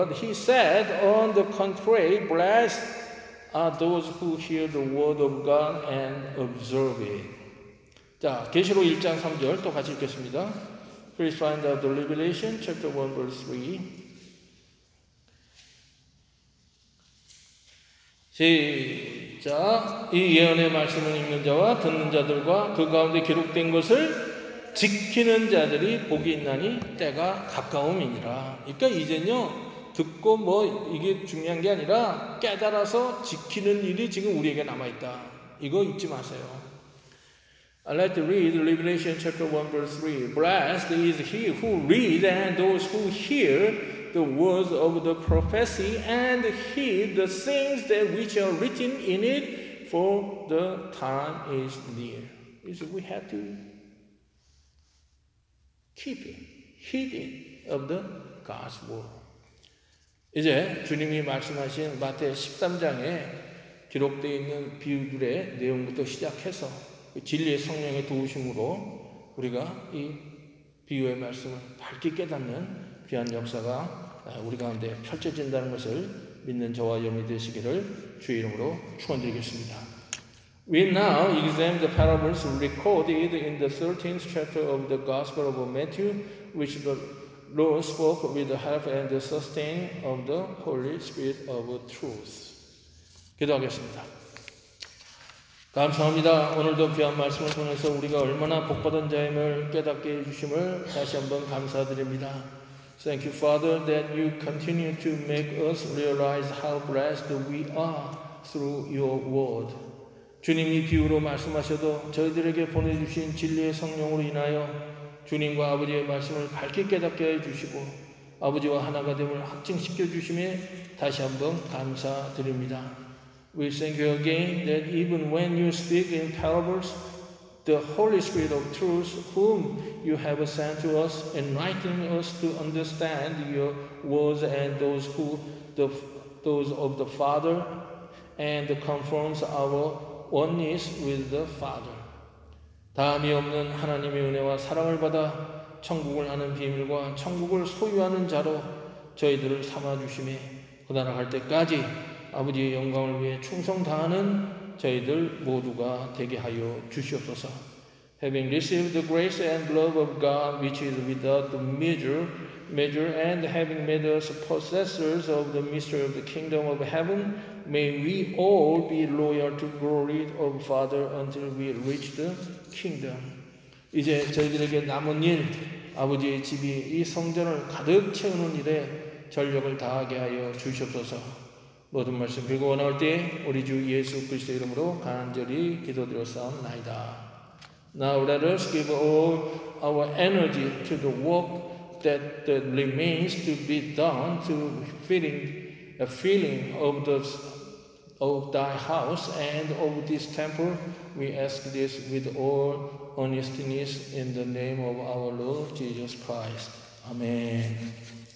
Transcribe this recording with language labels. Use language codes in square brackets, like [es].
[en] But he said, on the contrary, blessed are those who hear the word of God and observe it. [ko] 자, 계시록 1장 3절 또 같이 읽겠습니다. [en] Please find out the Revelation chapter 1 verse 3. [ko] 시작. 이 예언의 말씀을 읽는 자와 듣는 자들과 그 가운데 기록된 것을 지키는 자들이 복이 있나니 때가 가까움이니라. 그러니까 이제는요, 듣고 뭐 이게 중요한 게 아니라 깨달아서 지키는 일이 지금 우리에게 남아있다. 이거 잊지 마세요. [en] Let's read Revelation chapter 1 verse 3. Blessed is he who reads and those who hear the words of the prophecy and heed the things that which are written in it, for the time is near. So we have to keep it, heed it of the God's word. [ko] 이제 주님이 말씀하신 마태 13장에 기록되어 있는 비유들의 내용부터 시작해서 진리의 성령의 도우심으로 우리가 이 비유의 말씀을 밝게 깨닫는 귀한 역사가 우리 가운데 펼쳐진다는 것을 믿는 저와 여러분이 되시기를 주의 이름으로 축원드리겠습니다. [en] We now examine the parables recorded in the 13th chapter of the Gospel of Matthew, which the Lord spoke with the help and the sustain of the Holy Spirit of truth. [ko] 기도하겠습니다. 감사합니다. 오늘도 귀한 말씀을 통해서 우리가 얼마나 복받은 자임을 깨닫게 해주심을 다시 한번 감사드립니다. [en] Thank you, Father, that you continue to make us realize how blessed we are through your word. [ko] 주님이 비유로 말씀하셔도 저희들에게 보내주신 진리의 성령으로 인하여 주님과 아버지의 말씀을 밝게 깨닫게 해주시고 아버지와 하나가 됨을 확증시켜 주심에 다시 한번 감사드립니다. [en] We thank you again that even when you speak in parables, the Holy Spirit of truth, whom you have sent to us, enlightening us to understand your words and those of the Father, and confirms our oneness with the Father. [ko] 다함이 없는 하나님의 은혜와 사랑을 받아 천국을 아는 비밀과 천국을 소유하는 자로 저희들을 삼아주심에 그 나라 갈 때까지 아버지의 영광을 위해 충성 다하는 저희들 모두가 되게 하여 주시옵소서. [en] Having received the grace and love of God, which is without measure, and having made us possessors of the mystery of the kingdom of heaven, may we all be loyal to glory of Father until we reach the kingdom. [ko] 이제 저희들에게 남은 일, 아버지의 집이 이 성전을 가득 채우는 일에 전력을 다하게 하여 주시옵소서. 모든 말씀 빌고 원할 때 우리 주 예수 그리스도 이름으로 간절히 기도드렸사옵나이다. [en] Now let us give all our energy to the work that remains to be done to filling of thy house and of this temple. We ask this with all earnestness in the name of our Lord Jesus Christ. Amen.